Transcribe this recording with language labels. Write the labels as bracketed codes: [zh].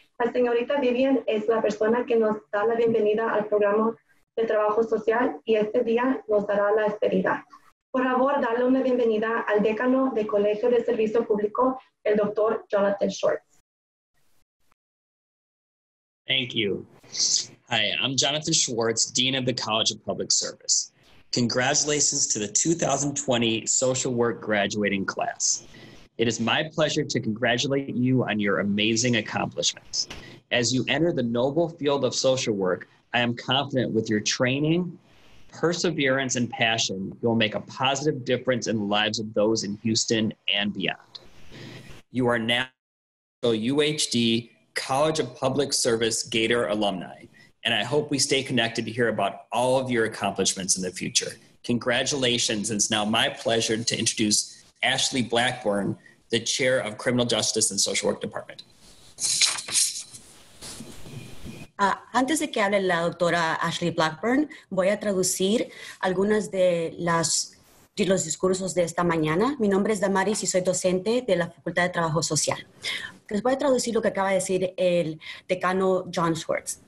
[es] La señorita Vivian es la persona que nos da la bienvenida al programa de trabajo social y este día nos dará la despedida. Por favor, dale una bienvenida al decano del Colegio de Servicio Público, el Dr. Jonathan Schwartz. [en] Thank you. Hi, I'm Jonathan Schwartz, Dean of the College of Public Service. Congratulations to the 2020 Social Work graduating class. It is my pleasure to congratulate you on your amazing accomplishments. As you enter the noble field of social work, I am confident with your training, perseverance, and passion, you will make a positive difference in the lives of those in Houston and beyond. You are now the UHD College of Public Service Gator alumni, and I hope we stay connected to hear about all of your accomplishments in the future. Congratulations, and it's now my pleasure to introduce Ashley Blackburn, the Chair of Criminal Justice and Social Work Department. [es] Antes de que hable la doctora Ashley Blackburn, voy a traducir algunas de los discursos de esta mañana. Mi nombre es Damaris y soy docente de la Facultad de Trabajo Social. Les voy a traducir lo que acaba de decir el decano John Schwartz.